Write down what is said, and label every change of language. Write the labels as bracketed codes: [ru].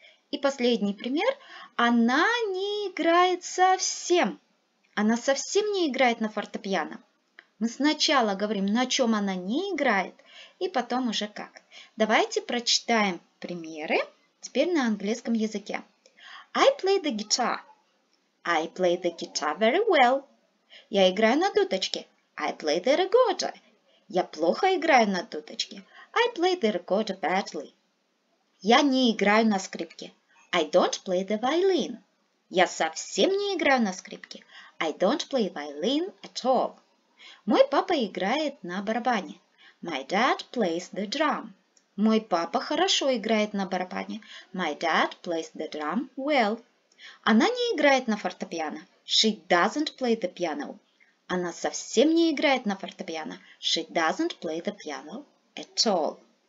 [ru] И последний пример. Она не играет совсем. Она совсем не играет на фортепиано. Мы сначала говорим, на чем она не играет, и потом уже как. Давайте прочитаем примеры. Теперь на английском языке. [en] I play the guitar. I play the guitar very well. [ru] Я играю на дудочке. [en] I play the recorder. [ru] Я плохо играю на дудочке. [en] I play the recorder badly. [ru] Я не играю на скрипке. [en] I don't play the violin. [ru] Я совсем не играю на скрипке. [en] I don't play violin at all. [ru] Мой папа играет на барабане. [en] My dad plays the drum. [ru] Мой папа хорошо играет на барабане. [en] My dad plays the drum well. [ru] Она не играет на фортепиано. [en] She doesn't play the piano. [ru] Она совсем не играет на фортепиано. [en] She doesn't play the piano at all.